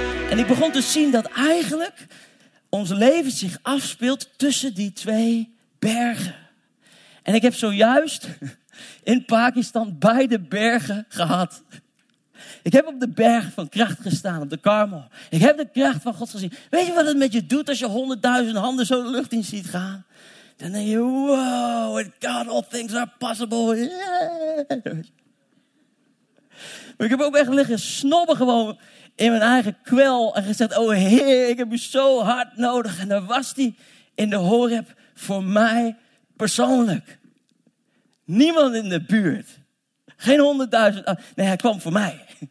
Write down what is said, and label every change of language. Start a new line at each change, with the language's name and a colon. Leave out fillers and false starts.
Dutch: En ik begon te zien dat eigenlijk ons leven zich afspeelt tussen die twee bergen. En ik heb zojuist in Pakistan beide bergen gehad. Ik heb op de berg van kracht gestaan, op de Carmel. Ik heb de kracht van God gezien. Weet je wat het met je doet als je 100.000 handen zo de lucht in ziet gaan? Dan denk je, wow,
English: with God all things are possible. Yeah.
Dutch: Maar ik heb ook echt liggen snobben gewoon in mijn eigen kwel. En gezegd, oh Heer, ik heb u zo hard nodig. En daar was hij in de Horeb voor mij persoonlijk. Niemand in de buurt. Geen 100.000. Nee, hij kwam voor mij.